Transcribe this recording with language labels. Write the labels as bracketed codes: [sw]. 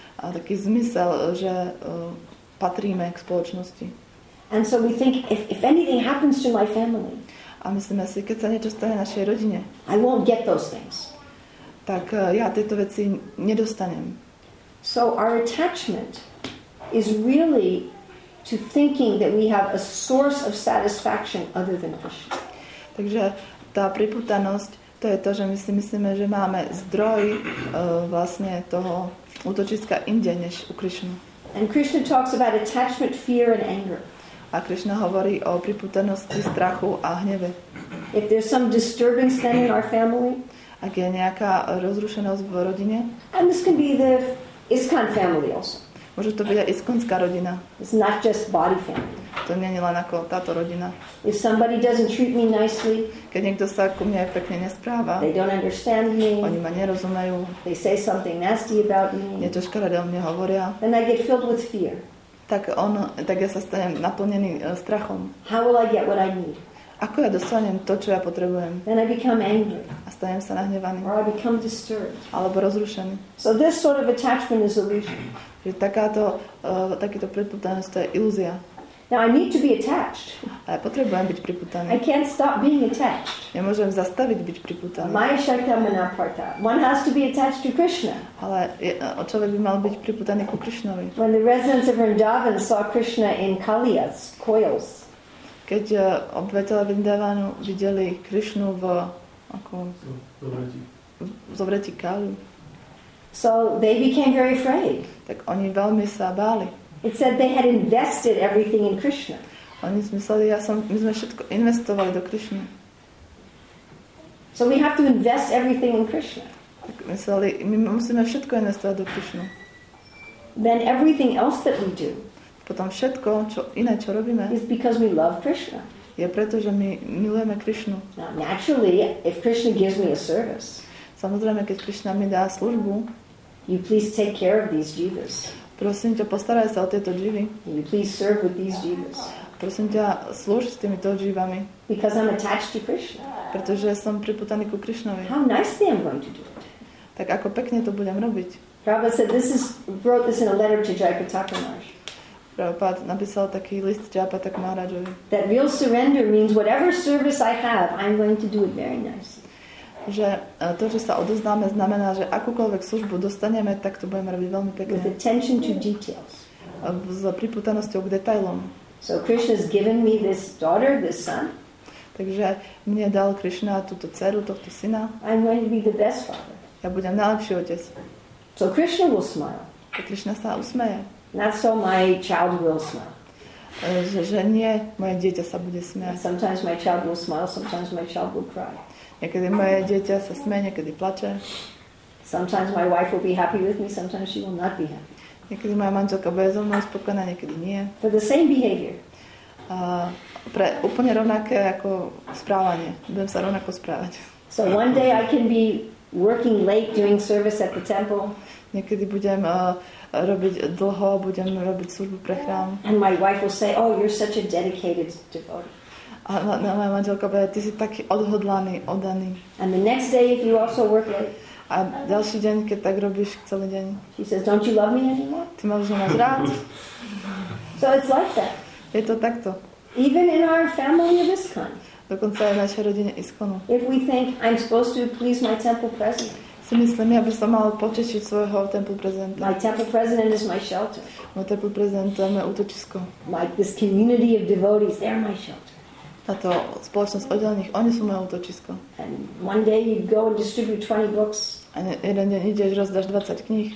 [sk] a taký zmysel, že patríme k spoločnosti. [en] And so we think if anything happens to my family, [sk] a myslíme si, keď sa niečo stane našej rodine, [en] I won't get those things. [sk] Tak ja tieto veci nedostanem. [en] So our attachment is really to thinking that we have a source of satisfaction other than Krishna. [sk] Takže tá pripútanosť, to je to, že my si myslíme, že máme zdroj vlastne toho útočiska inde než u Krishnu. [en] And Krishna talks about attachment, fear and anger. [sk] A Krishna hovorí o pripútanosti, strachu a hneve. [en] If there's some disturbance then in our family, [sk] ak je nejaká rozrušenosť v rodine, [en] and this can be the ISKCON family also. [sk] Môže to byť aj iskonská rodina. [en] It's not just body family. [sk] To nie je len ako táto rodina. [en] If somebody doesn't treat me nicely, [sk] keď niekto sa ku mne pekne nespráva, [en] they don't understand me, [sk] oni ma nerozumejú, [en] they say something nasty about me, [sk] niečo škaredé o mne hovoria, [en] then I get filled with fear. [sk] Tak ja sa stanem naplnený strachom. [en] How will I get what I need? [sk] Ako ja dostanem to, čo ja potrebujem? [en] Then I become angry. [sk] A stanem sa nahnevaný. [en] Or I become disturbed. [sk] Alebo rozrušený. [en] So this sort of attachment is illusion. [sk] Že takéto pripútanosť, to je ilúzia. [en] Now I need to be attached. [sk] A ja potrebujem byť pripútaný. [en] I can't stop being attached. [sk] Nemôžem zastaviť byť pripútaný. [sa] Maya shakta mana partha. [en] One has to be attached to Krishna. [sk] Ale človek by mal byť pripútaný ku Krishnovi. [en] When the residents of Vrindavan saw Krishna in Kaliyas coils. [sk] Keď obyvatelia Vrindavanu videli Krishnu v ako zovretí Kali. [en] So they became very afraid. [sk] Tak oni veľmi sa báli. [en] It said they had invested everything in Krishna. [sk] Oni mysleli, my sme všetko investovali do Krishna. [en] So we have to invest everything in Krishna. [sk] Tak mysleli, my musíme všetko investovať do Krishna. [en] Then everything else that we do. [sk] Potom všetko, čo iné, čo robíme. [en] Is because we love Krishna. [sk] Je preto, že my milujeme Krishnu. [en] Now, naturally, if Krishna gives me a service. [sk] Samozrejme, keď Krishna mi dá službu. [en] You please take care of these jivas. [sk] Prosím ťa, postaraj sa o tieto živy. [en] You please serve with these jivas. [sk] Prosím ťa, slúž s týmito živami. [en] Because I'm attached to Krishna. [sk] Pretože som pripútaný ku Krishnovi. [en] How nicely I'm going to do it. [sk] Tak ako pekne to budem robiť. [en] Prabhupada said this is wrote this in a letter to Jayaprataka Maharaj. [sk] Prabhupada napísal taký list Jayaprataka Maharajovi. [en] That real surrender means whatever service I have, I'm going to do it very nicely. [sk] Že to, že sa odoznáme, znamená, že akúkoľvek službu dostaneme, tak to budeme robiť veľmi pekne. [en] With attention to details. [sk] S pripútanosťou k detailom. [en] So Krishna's given me this daughter, this son. [sk] Takže mne dal Krishna túto dceru, tohto syna. [en] I'm going to be the best father. [sk] Ja budem najlepší otec. [en] So Krishna will smile. [sk] Krishna sa usmeje. [en] Not so my child will smile. [sk] Že nie, moje dieťa sa bude smiať. [en] Sometimes my child will smile, sometimes my child will cry. [sk] Niekedy moje dieťa sa smeje, niekedy plače. [en] Sometimes my wife will be happy with me, sometimes she will not be happy. [sk] Niekedy moja manželka bude so mnou spokojná, niekedy nie. [en] For the same behavior. [sk] Pre úplne rovnaké ako správanie. Budem sa rovnako správať. [en] So one day I can be working late doing service at the temple. [sk] Niekedy budem robiť dlho, budem robiť službu pre chrám. [en] And my wife will say, oh, you're such a dedicated devotee. [sk] A na moja manželka bude, ty si taký odhodlaný, oddaný. [en] And the next day if you also work late. [sk] A ďalší deň, keď tak robíš celý deň. [en] She says, don't you love me anymore? [sk] Ty ma už nemáš rád. [en] So it's like that. [sk] Je to takto. [en] Even in our family of ISKCON. [sk] Dokonca aj v našej rodine ISKCONu. [en] If we think I'm supposed to please my temple president. [sk] Si myslím, ja by som mal potešiť svojho temple prezidenta. [en] My temple president is my shelter. [sk] Môj temple prezident je moje útočisko. [en] Like this community of devotees, they're my shelter. [sk] Táto spoločnosť oddelených, oni sú moje útočisko. [en] And one day you go and distribute 20 books. [sk] A jeden deň ideš, rozdáš 20 kníh.